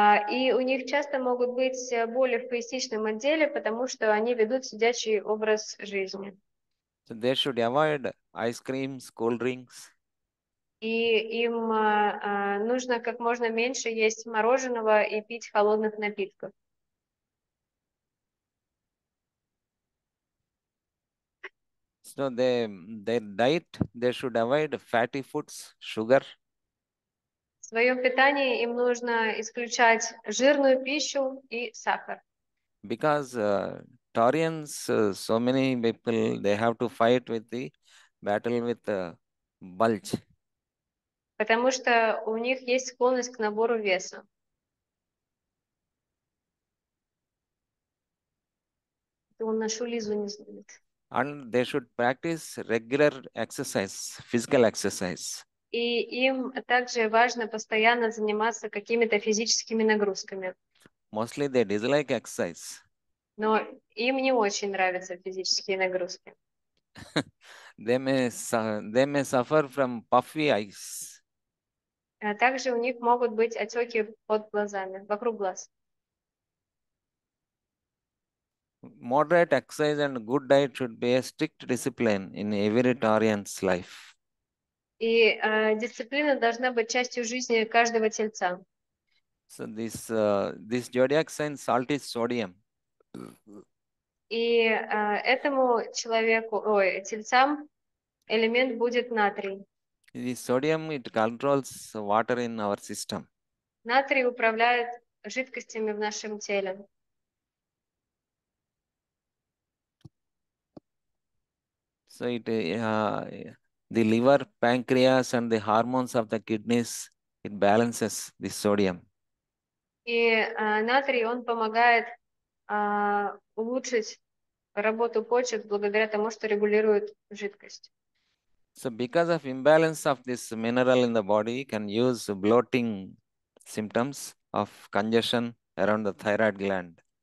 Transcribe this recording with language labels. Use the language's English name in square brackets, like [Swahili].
[Russian] И у них часто могут быть боли в поясничном отделе, потому что они ведут сидячий образ жизни. [English] So they should avoid ice creams, cold drinks. [Russian] И им нужно как можно меньше есть мороженого и пить холодных напитков. [English] So their diet, they should avoid fatty foods, sugar. [Russian] В своем питании им нужно исключать жирную пищу и сахар. [English] Because Taurians, so many people, they have to fight with the battle with the bulge. [Russian] Потому что у них есть склонность к набору веса. Он нашу Лизу не знает. [English] And they should practice regular exercise, physical exercise. [Russian] И им также важно постоянно заниматься какими-то физическими нагрузками. [English] Mostly they dislike exercise. [Russian] Но им не очень нравятся физические нагрузки. [English] They may suffer from puffy eyes. [Russian] А также у них могут быть отеки под глазами, вокруг глаз. [English] Moderate exercise and good diet should be a strict discipline in every Taurian's life. [Russian] И дисциплина должна быть частью жизни каждого тельца. [English] So this zodiac sign salt is sodium. [Russian] И этому человеку, ой, тельцам, элемент будет натрий. [English] The sodium, it controls water in our system. [Russian] Натрий управляет жидкостями в нашем теле. [English] So it, the liver, pancreas and the hormones of the kidneys, it balances the sodium. [Russian] И натрий, он помогает улучшить работу почек благодаря тому, что регулирует жидкость. [English] So because of imbalance of this mineral in the body, you can use bloating symptoms of congestion around the thyroid gland.